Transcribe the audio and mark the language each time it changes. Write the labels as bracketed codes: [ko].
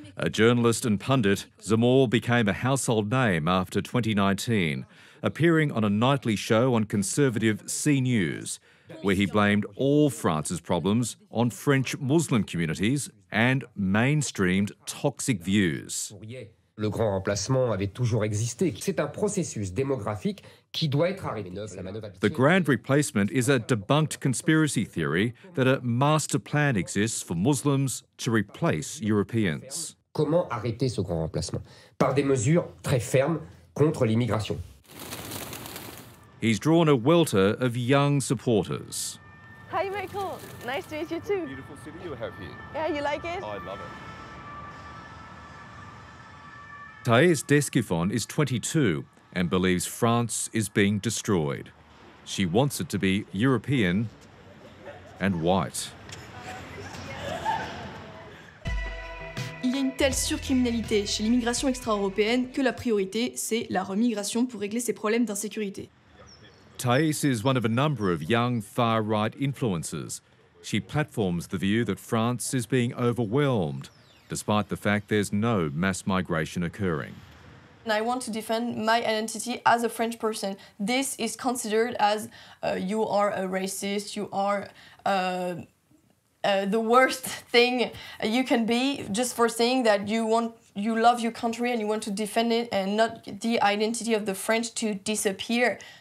[en] A journalist and pundit, Zemmour became a household name after 2019, appearing on a nightly show on conservative CNews, where he blamed all France's problems on French Muslim communities and mainstreamed toxic views. [fr] Le grand remplacement avait toujours existé. C'est un processus démographique qui doit être arrivé. [en] The grand replacement is a debunked conspiracy theory that a master plan exists for Muslims to replace Europeans. [fr] Comment arrêter ce grand remplacement? Par des mesures très fermes contre l'immigration. [en] He's drawn a welter of young supporters. Hi Michael, nice to meet you too. Beautiful city you have here. Yeah, you like it? Oh, I love it. Thaïs Descuffon is 22 and believes France is being destroyed. She wants it to be European and white. [fr] Il y a une telle surcriminalité chez l'immigration extra-européenne que la priorité, c'est la remigration pour régler ses problèmes d'insécurité. [en] Thaïs is one of a number of young far-right influencers. She platforms the view that France is being overwhelmed, despite the fact there's no mass migration occurring. And I want to defend my identity as a French person. This is considered as you are a racist, you are the worst thing you can be, just for saying that you love your country and you want to defend it and not the identity of the French to disappear.